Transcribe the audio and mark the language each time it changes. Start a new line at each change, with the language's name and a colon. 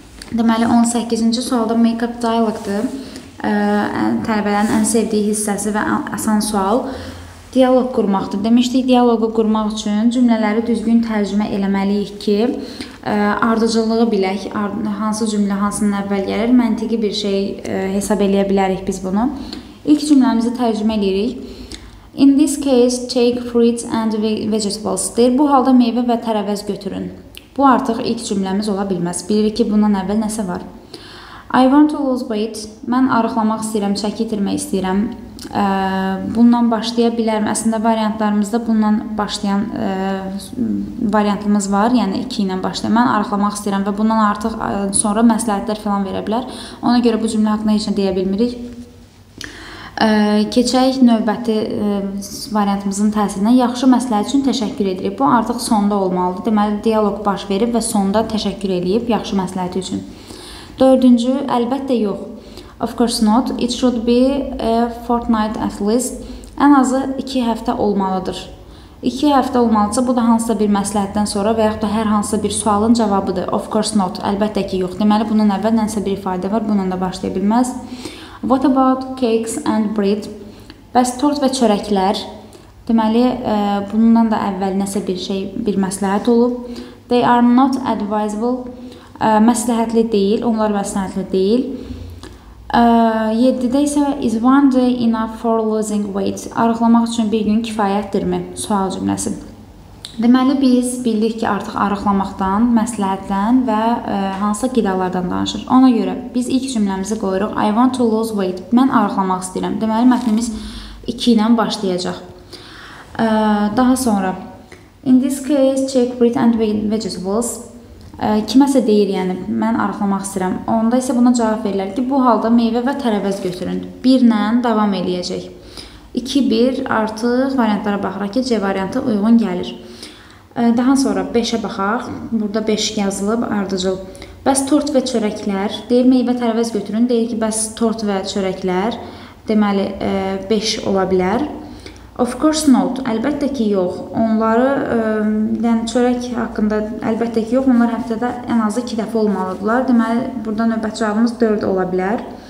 Azerbaijani: Deməli 18-ci sualda make-up dialogdır. Tələbələrin ən sevdiyi hissəsi və asan sual dialog qurmaqdır. Demişdik, dialogu qurmaq üçün cümlələri düzgün tərcümə eləməliyik ki, ardıcılığı bilək, hansı cümlə hansının əvvəl gəlir, məntiqi bir şey hesab eləyə bilərik biz bunu. İlk cümləmizi tərcümə edirik.
English: In this case, take fruits and vegetables.
Azerbaijani: Deyir, bu halda meyvə və tərəvəz götürün. Bu artıq ilk cümləmiz ola bilməz. Bilirik ki, bundan əvvəl nəsə var.
English: I want to lose weight.
Azerbaijani: Mən arıqlamaq istəyirəm, çəki itirmək istəyirəm. Bundan başlaya bilərim. Əslində, variantlarımızda bundan başlayan variantımız var. Yəni, 2 ilə başlayan. Mən arıqlamaq istəyirəm və bundan artıq sonra məsləhətlər falan verə bilər. Ona görə bu cümlə haqqında heç nə deyə bilmirik. Keçək növbəti variantımızın təsirinə. Yaxşı məsləhət üçün təşəkkür edirik. Bu artıq sonda olmalıdır. Deməli, dialog baş verib və sonda təşəkkür edib yaxşı məsləhət üçün. Dördüncü, əlbəttə yox.
English: Of course not. It should be a fortnight at least.
Azerbaijani: Ən azı 2 həftə olmalıdır. 2 həftə olmalıdırsa, bu da hansısa bir məsləhətdən sonra və yaxud da hər hansısa bir sualın cavabıdır.
English: Of course not.
Azerbaijani: Əlbəttə ki, yox. Deməli, bunun əvvəl nənsə bir ifadə var. Bundan da başlaya bilməz.
English: What about cakes and bread?
Azerbaijani: Bəs tort və çörəklər? Deməli, bundan da əvvəl nəsə bir şey, bir məsləhət olub.
English: They are not advisable.
Azerbaijani: Məsləhətli deyil. Onlar məsləhətli deyil. 7-də isə
English: is one day enough for losing weight?
Azerbaijani: Arıqlamaq üçün bir gün kifayətdirmi? Sual cümləsi. Deməli, biz bildik ki, artıq arıqlamaqdan, məsləhətdən və hansı qidalardan danışır. Ona görə biz ilk cümləmizi qoyuruq.
English: I want to lose weight.
Azerbaijani: Mən arıqlamaq istəyirəm. Deməli, mətnimiz 2 ilə başlayacaq. Daha sonra.
English: In this case, check bread and vegetables.
Azerbaijani: Kiməsə deyir, yəni, mən arıqlamaq istəyirəm. Onda isə buna cavab verirlər ki, bu halda meyvə və tərəvəz götürün. Birlə davam eləyəcək. 2-1 artıq variantlara baxıraq ki, C variantı uyğun gəlir. Daha sonra 5-ə baxaq. Burada 5 yazılıb, ardıcıl. Bəs tort və çörəklər, deyir, meyvə tərəvəz götürün. Deyir ki, bəs tort və çörəklər, deməli, 5 ola bilər.
English: Of course not.
Azerbaijani: Əlbəttə ki, yox. Onları, yəni çörək haqqında əlbəttə ki, yox. Onlar həftədə ən azı 2 dəfə olmalıdırlar. Deməli, burada növbət cavabımız 4 ola bilər.